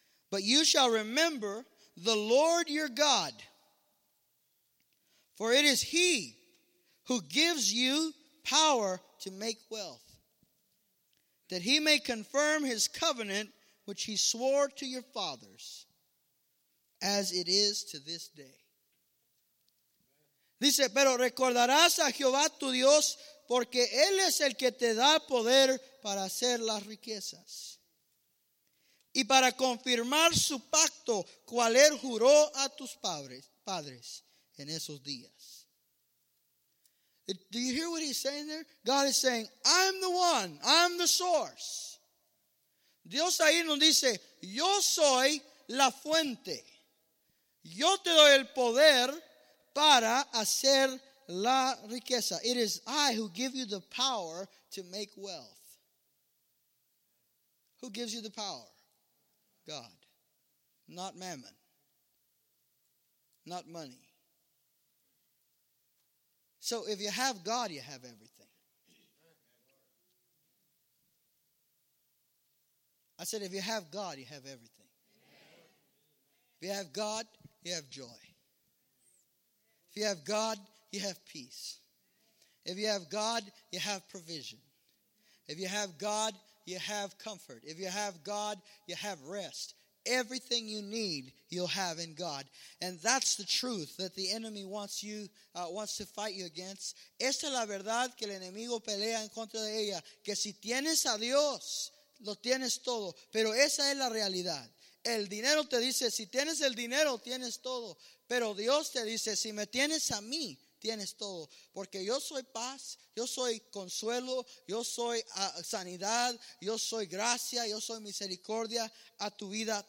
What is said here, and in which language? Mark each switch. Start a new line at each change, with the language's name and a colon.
English: But you shall remember the Lord your God, for it is He who gives you power to make wealth, that he may confirm his covenant which he swore to your fathers, as it is to this day.
Spanish: Dice, pero recordarás a Jehová tu Dios, porque él es el que te da poder para hacer las riquezas y para confirmar su pacto, cual él juró a tus padres en esos días.
English: Do you hear what he's saying there? God is saying, I'm the one. I'm the source.
Spanish: Dios ahí nos dice, yo soy la fuente. Yo te doy el poder para hacer la riqueza.
English: It is I who give you the power to make wealth. Who gives you the power? God. Not mammon. Not money. So if you have God, you have everything. I said, if you have God, you have everything. Amen. If you have God, you have joy. If you have God, you have peace. If you have God, you have provision. If you have God, you have comfort. If you have God, you have rest. Everything you need, you'll have in God. And that's the truth that the enemy wants to fight you against.
Spanish: Esa es la verdad que el enemigo pelea en contra de ella. Que si tienes a Dios, lo tienes todo. Pero esa es la realidad. El dinero te dice, si tienes el dinero, tienes todo. Pero Dios te dice, si me tienes a mí, tienes todo. Porque yo soy paz, yo soy consuelo, yo soy sanidad, yo soy gracia, yo soy misericordia a tu vida.